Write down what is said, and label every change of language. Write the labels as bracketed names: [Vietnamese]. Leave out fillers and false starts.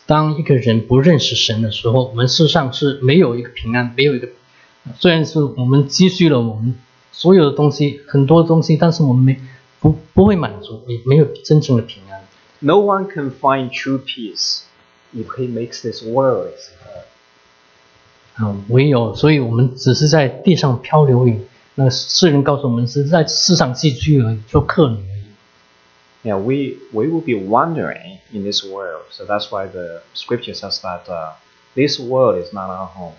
[Chinese] 当一个人不认识神的时候，我们事实上是没有一个平安，没有一个，虽然是我们积蓄了我们所有的东西，很多东西，但是我们没不会满足，也没有真正的平安。 [English] No one can find true peace if he makes this world. [Chinese] 唯有，所以我们只是在地上漂流而已。那世人告诉我们是在世上寄居而已，做客旅。 [English] Yeah, we will be wandering in this world. So that's why the scripture says that this world is not our home.